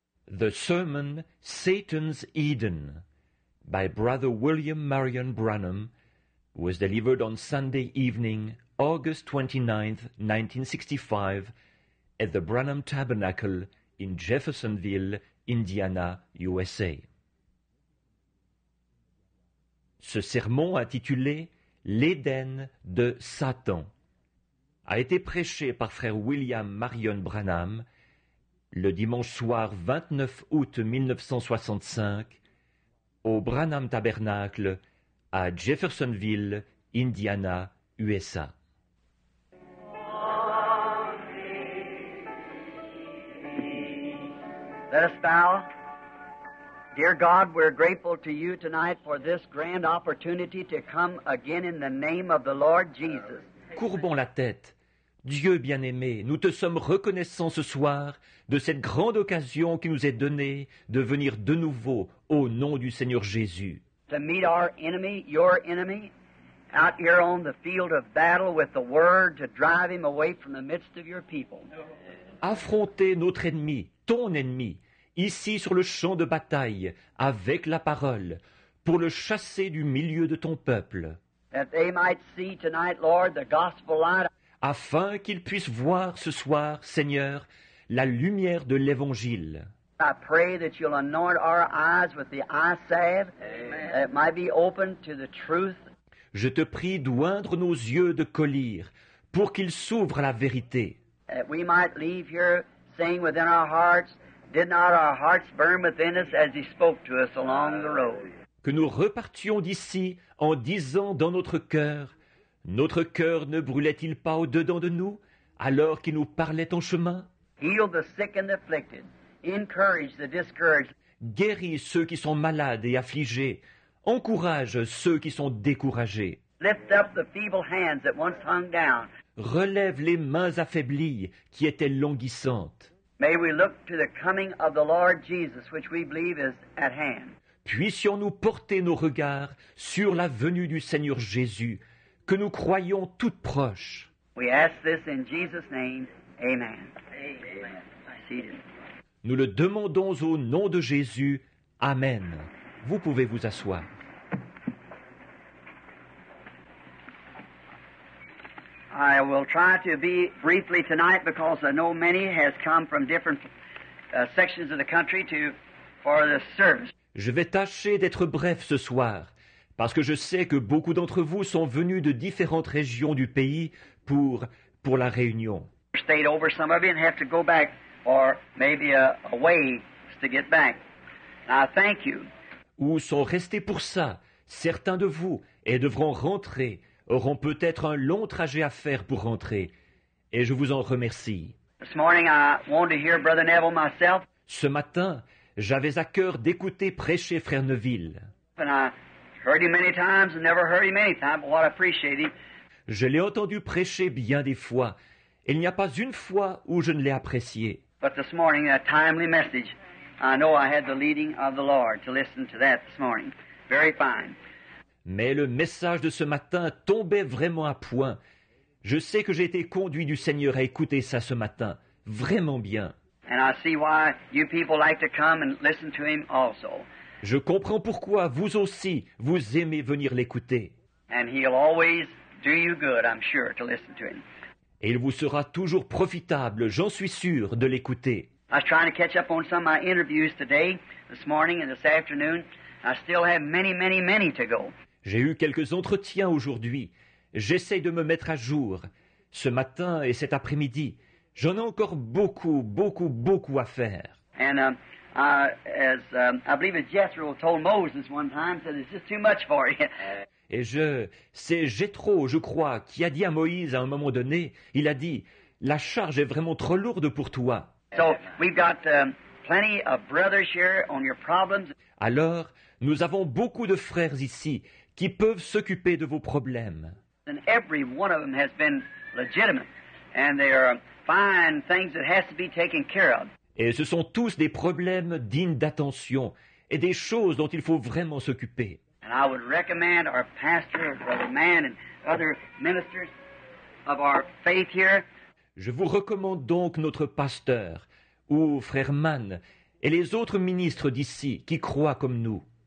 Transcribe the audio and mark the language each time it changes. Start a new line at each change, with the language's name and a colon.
English: The Sermon, Satan's Eden, by Brother William Marion Branham, was delivered on Sunday evening, August 29, 1965, at the Branham Tabernacle in Jeffersonville, Indiana, USA.
French: Ce sermon intitulé « L'Éden de Satan » a été prêché par Frère William Marion Branham le dimanche soir 29 août 1965 au Branham Tabernacle à Jeffersonville, Indiana, USA.
English: Let us bow. Dear God, we're grateful to you tonight for this grand opportunity to come again in the name of the Lord Jesus.
French: Courbons la tête. Dieu bien-aimé, nous te sommes reconnaissants ce soir de cette grande occasion qui nous est donnée de venir de nouveau au nom du Seigneur Jésus.
English: To meet our enemy, your enemy, out here on the field of battle with the word to drive him away from the midst of your people.
French: Affronter notre ennemi, ton ennemi, ici sur le champ de bataille, avec la parole, pour le chasser du milieu de ton peuple.
English: That they might see tonight, Lord, the gospel light.
French: Afin qu'ils puissent voir ce soir, Seigneur, la lumière de l'Évangile.
English: I pray that you'll anoint our eyes with the eye salve, that it might be open to the truth.
French: Je te prie d'oindre nos yeux de colire, pour qu'ils s'ouvrent à la vérité.
English: That we might leave here saying within our hearts, did not our hearts burn within us as he spoke to us along the road.
French: Que nous repartions d'ici en disant dans notre cœur, notre cœur ne brûlait-il pas au-dedans de nous, alors qu'il nous parlait en chemin?
English: Heal the sick and afflicted. Encourage the discouraged.
French: Guéris ceux qui sont malades et affligés. Encourage ceux qui sont découragés.
English: Lift up the feeble hands that once hung down.
French: Relève les mains affaiblies qui étaient languissantes.
English: May we look to the coming of the Lord Jesus, which we believe is at hand.
French: Puissions-nous porter nos regards sur la venue du Seigneur Jésus, que nous croyons toute proche.
English: We ask this in Jesus' name. Amen. Amen.
French: Nous le demandons au nom de Jésus. Amen. Vous pouvez vous asseoir.
English: I will try to be briefly tonight because I know many has come from different sections of the country to for the service.
French: Je vais tâcher d'être bref ce soir parce que je sais que beaucoup d'entre vous sont venus de différentes régions du pays pour la réunion.
English: Stayed over some of you and have to go back or maybe a way to get back. I thank you.
French: Ou sont restés pour ça, certains de vous, et devront rentrer, auront peut-être un long trajet à faire pour rentrer. Et je vous en remercie.
English: This morning I wanted to hear Brother Neville myself.
French: Ce matin, j'avais à cœur d'écouter prêcher Frère Neville.
English: And I heard him many times and never heard him any time, but what I appreciate him.
French: Je l'ai entendu prêcher bien des fois. Il n'y a pas une fois où je ne l'ai apprécié.
English: But this morning, a timely message. I know I had the leading of the Lord to listen to that this morning. Very fine.
French: Mais le message de ce matin tombait vraiment à point. Je sais que j'ai été conduit du Seigneur à écouter ça ce matin. Vraiment bien.
English: And I see why you people like to come and listen to him also.
French: Je comprends pourquoi vous aussi, vous aimez venir l'écouter.
English: And he'll always do you good, I'm sure, to listen to him.
French: Et il vous sera toujours profitable, j'en suis sûr, de l'écouter.
English: I was trying to catch up on some of my interviews today, this morning and this afternoon. I still have many, many, many to go.
French: J'ai eu quelques entretiens aujourd'hui. J'essaye de me mettre à jour. Ce matin et cet après-midi, j'en ai encore beaucoup, beaucoup, beaucoup à faire.
English: And I believe Jethro told Moses one time, said it's just too much for you.
French: Et c'est Jethro, je crois, qui a dit à Moïse à un moment donné, il a dit, la charge est vraiment trop lourde pour toi.
English: So we've got plenty of brothers here on your problems.
French: Alors, nous avons beaucoup de frères ici qui peuvent s'occuper de vos problèmes.
English: And every one of them has been legitimate, and they are fine things that has to be taken care of.
French: Et ce sont tous des problèmes dignes d'attention et des choses dont il faut vraiment s'occuper.
English: And I would recommend our pastor, Brother Mann, and other ministers of our faith here.
French: Je vous recommande donc notre pasteur, ou Frère Mann, et les autres ministres d'ici qui croient comme nous.